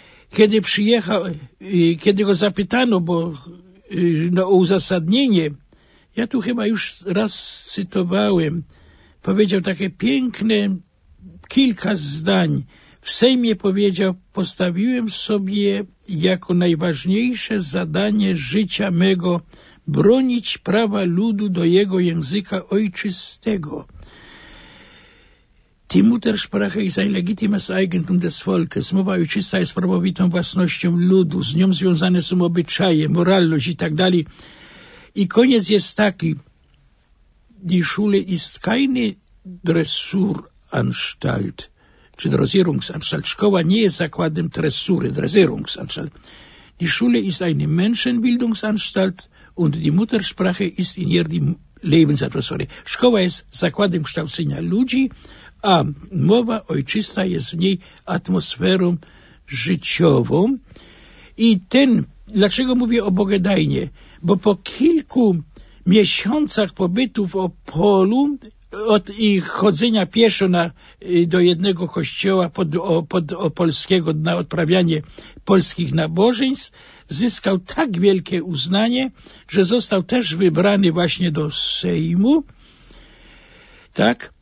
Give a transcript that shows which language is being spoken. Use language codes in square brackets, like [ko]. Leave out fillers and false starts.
[pl] Kiedy przyjechał, kiedy go zapytano o uzasadnienie, ja tu chyba już raz cytowałem, powiedział takie piękne kilka zdań. W Sejmie powiedział: postawiłem sobie jako najważniejsze zadanie życia mego bronić prawa ludu do jego języka ojczystego. [de] Die Muttersprache ist ein legitimes Eigentum des Volkes. [pl] Mowa ojczysta jest prawowitą własnością ludu. Z nią związane są obyczaje, moralność i tak dalej. I koniec jest taki. [de] Die Schule ist keine Dressuranstalt, czy Dressierungsanstalt. [pl] Szkoła nie jest zakładem dresury, Dressierungsanstalt. [de] Die Schule ist eine Menschenbildungsanstalt und die Muttersprache ist in ihr die Lebensatmosphäre. [pl] Szkoła jest zakładem kształcenia ludzi, a mowa ojczysta jest w niej atmosferą życiową. I ten, dlaczego mówię o Bogedainie? Bo po kilku miesiącach pobytu w Opolu, od ich chodzenia pieszo do jednego kościoła pod opolskiego na odprawianie polskich nabożeństw, zyskał tak wielkie uznanie, że został też wybrany właśnie do Sejmu. tak?